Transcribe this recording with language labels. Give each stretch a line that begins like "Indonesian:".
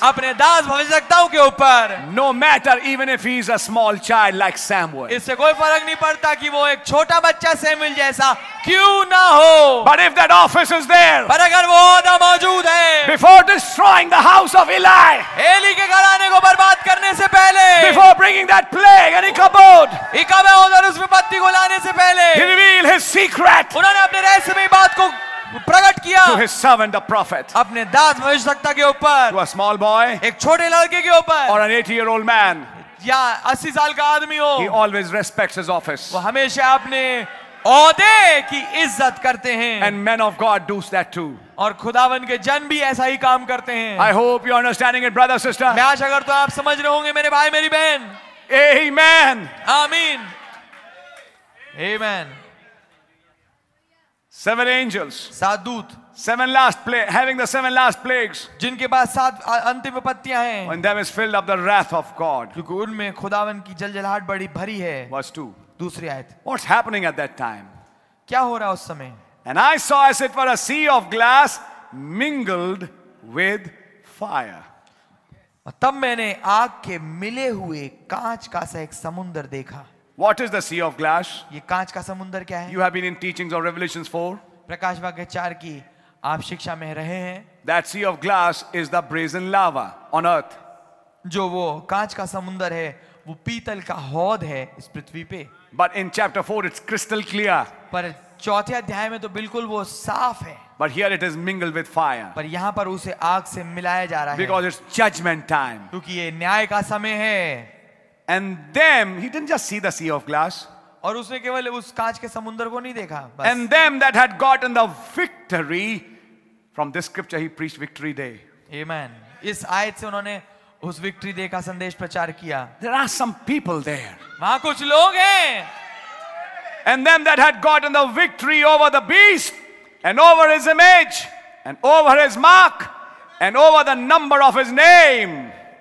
Hindi: अपने दास भविष्यवक्ताओं के ऊपर
English: no matter even if he is a small child like Samuel
Hindi: इससे कोई फर्क नहीं पड़ता कि वो एक छोटा बच्चा सैमुएल जैसा क्यों ना हो
English: but if that office is there
Hindi: पर अगर वो ओहदा मौजूद है
English: before destroying the house of Eli
Hindi: Eli के घराने को बर्बाद करने से पहले
English: before bringing that plague and Ichabod
Hindi: Ichabod और उस विपत्ति को लाने से पहले
English: he revealed his secret
Hindi: उन्होंने अपने रहस्य में बात को प्रकट किया
English: to his servant the prophet
Hindi: अपने दास भविष्यवक्ता के ऊपर
English: to a small boy
Hindi: एक छोटे लड़के के ऊपर
English: or an 80 year old man
Hindi: या 80 साल का आदमी हो
English: he always respects his office
Hindi: वो हमेशा अपने ओहदे की इज्जत करते हैं
English: and men of god do that too
Hindi: और खुदावन के जन भी ऐसा ही काम करते हैं
English: I hope you're understanding it brother sister
Hindi: मैं आशा करता हूं आप समझ रहे होंगे मेरे भाई मेरी बहन
English: amen
Hindi: आमीन amen
English: Seven angels.
Hindi: सात दूत.
English: Seven last plague, having the seven last plagues.
Hindi: जिनके पास सात अंतिम विपत्तियां हैं.
English: And them is filled up the wrath of God.
Hindi: क्योंकि उनमें खुदावन की जलजलाहट बड़ी भरी है.
English: Verse two.
Hindi: दूसरी आयत.
English: What's happening at that time?
Hindi: क्या हो रहा उस समय?
English: And I saw as it were a sea of glass mingled with fire.
Hindi: तब मैंने आग के मिले हुए कांच का सा एक समुंदर देखा.
English: What is the sea of glass?
Hindi: ये कांच का समुंदर क्या है?
English: You have been in teachings of Revelations 4.
Hindi: प्रकाश वाक्य 4 की आप शिक्षा में रहे हैं.
English: That sea of glass is the brazen lava on earth.
Hindi: जो वो कांच का समुंदर है, वो पीतल का हौद है इस पृथ्वी पे.
English: But in chapter 4 it's crystal clear.
Hindi: पर चौथे अध्याय में तो बिल्कुल वो साफ है.
English: But here it is mingled with fire.
Hindi: पर यहां पर उसे आग से मिलाया जा रहा है.
English: Because it's judgment time.
Hindi: क्योंकि ये न्याय का समय है.
English: And them, he didn't just see the sea of glass.
Hindi: और उसने केवल उस कांच के समुंदर को नहीं देखा.
English: And them that had gotten the victory from this scripture, he preached victory day. Amen.
Hindi: इस आयत से उन्होंने उस विक्ट्री डे का संदेश प्रचार किया.
English: There are some people there.
Hindi: वहाँ कुछ लोग हैं.
English: And them that had gotten the victory over the beast and over his image and over his mark and over the number of his name.